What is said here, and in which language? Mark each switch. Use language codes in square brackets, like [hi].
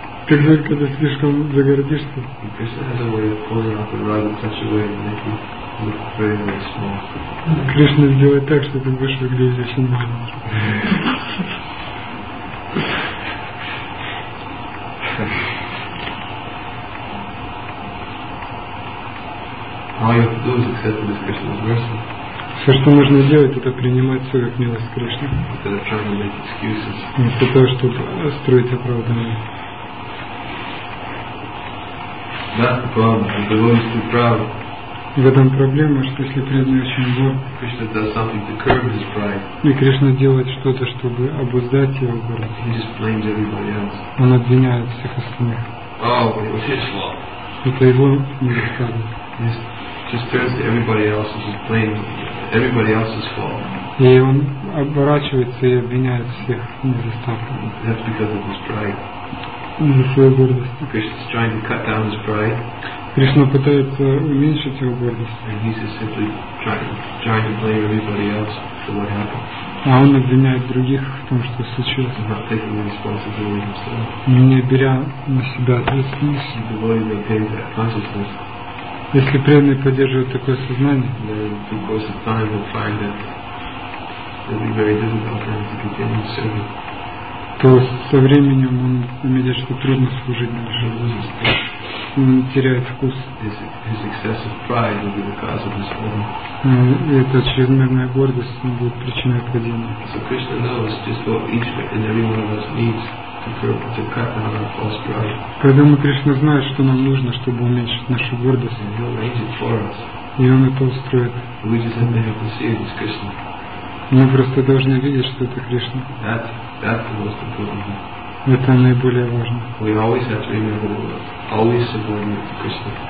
[ru] Как же, когда слишком загородишься? [en] Кришна has a way of pulling up the rug in such a way that makes you look very, very small. [ru] Кришна сделает так, что ты будешь выглядеть очень много. [en] All you have to do is accept this Krishna's mercy. [ru] Все, что нужно делать, это принимать все как милость Кришны. [en] Instead of trying to make excuses. [ru] Вместо того, чтобы строить оправдание. [en] That's the problem. If the world is too proud. [ru] В этом проблема, что если преданный очень горд. [en] Krishna does something to curb his pride. [ru] И Кришна делает что-то, чтобы обуздать его горд. [en] He just blames everybody else. [ru] Он обвиняет всех остальных. [en] Oh, but it was his fault. [ru] Это его недостаток. [en] Just turns to everybody else and just blames everybody else's fault. [ru] И он оборачивается и обвиняет всех недостатков. [en] That's because of his pride. [ru] Из-за своей гордости. [en] Krishna's trying to cut down his pride. [ru] Кришна пытается уменьшить его гордость. [en] And he's just simply trying to blame everybody else for what happened. [ru] А он обвиняет других в том, что случилось. [en] Not taking the responsibility himself. [ru] Не беря на себя ответственность. [en] The devotee maintains that consciousness. [ru] Если преданный поддерживает такое сознание, [en] then in the course of time he'll find that it'll be very difficult for him to continue serving. [ru] То со временем он заметит, что трудно служить дальше. Он теряет вкус. [en] His excessive pride will be the cause of his fall. [ru] Эта чрезмерная гордость будет причиной падения. [en] So Krishna knows just what each and every one of us needs to cut down our false pride. [ru] Поэтому Кришна знает, что нам нужно, чтобы уменьшить нашу гордость. [en] And he'll arrange it for us. [ru] И он это устроит. [en] We just have to help to see it as Krishna. [ru] Мы просто должны видеть, что это Кришна. [en] That's the most important thing. [ru] Это наиболее важно. [en] We always have to remember, always subordinate to Krishna.